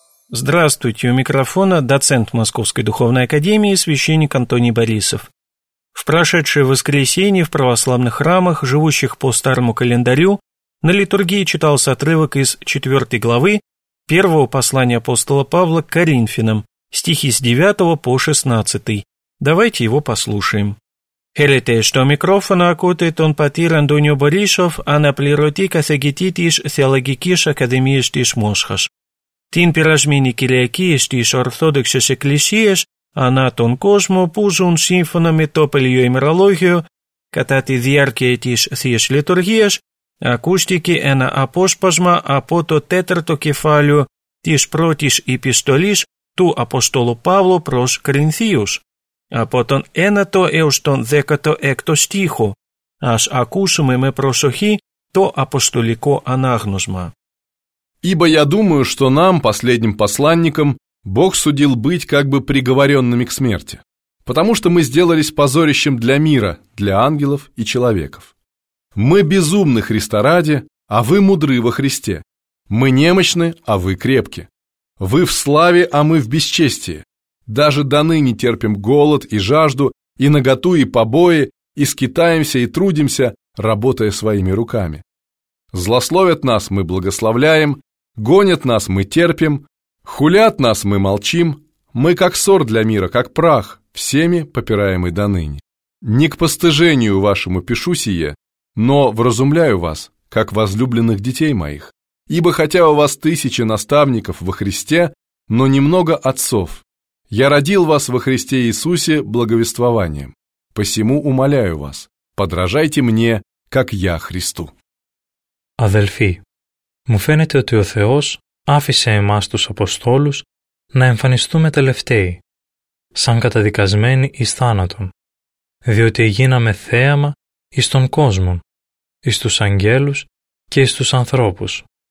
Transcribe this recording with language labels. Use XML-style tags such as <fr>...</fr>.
<ru>Здравствуйте, у микрофона доцент Московской духовной академии священник Антоний Борисов. В прошедшее воскресенье в православных храмах, живущих по старому календарю, на литургии читался отрывок из 4 главы первого послания апостола Павла к Коринфянам, стихи с 9 по 16. Давайте его послушаем.</ru> <el>Χαίρετε στο μικρόφωνο ακούτε τον πατήρ Αντώνιο Μπορίσοφ, αναπληρωτή καθηγητή της Θεολογικής Ακαδημίας της Μόσχας. Την περασμένη Κυριακή στις Ορθόδοξες Εκκλησίες, ανά τον κόσμο που ζουν σύμφωνα με το παλιό ημερολόγιο, κατά τη διάρκεια της Θείας Λειτουργίας, ακούστηκε ένα απόσπασμα από το 4ο κεφάλαιο της πρώτης επιστολής του Αποστόλου Παύλου προς Κρινθίους. Από τον 9ο έως τον 16ο στίχο, ας ακούσουμε με προσοχή το αποστολικό ανάγνωσμα.</el> <ru>«Ибо я думаю, что нам, последним посланникам, Бог судил быть как бы приговоренными к смерти, потому что мы сделались позорищем для мира, для ангелов и человеков. Мы безумны Христа ради, а вы мудры во Христе. Мы немощны, а вы крепки. Вы в славе, а мы в бесчестии. Даже до ныне терпим голод и жажду, и наготу, и побои, и скитаемся, и трудимся, работая своими руками. Злословят нас, мы благословляем, гонят нас, мы терпим, хулят нас, мы молчим, мы как сор для мира, как прах, всеми попираемый до ныне. Не к постыжению вашему пишу сие, но вразумляю вас, как возлюбленных детей моих. Ибо хотя у вас тысячи наставников во Христе, но немного отцов. Я родил вас во Христе Иисусе благовествованием. Посему умоляю вас, подражайте мне, как я Христу».</ru> <el>Αδελφοί, μου φαίνεται ότι ο Θεός άφησε εμάς τους Αποστόλους να εμφανιστούμε τελευταίοι, σαν καταδικασμένοι εις θάνατον, διότι γίναμε θέαμα εις τον κόσμο, εις τους αγγέλους και εις τους ανθρώπους.</el>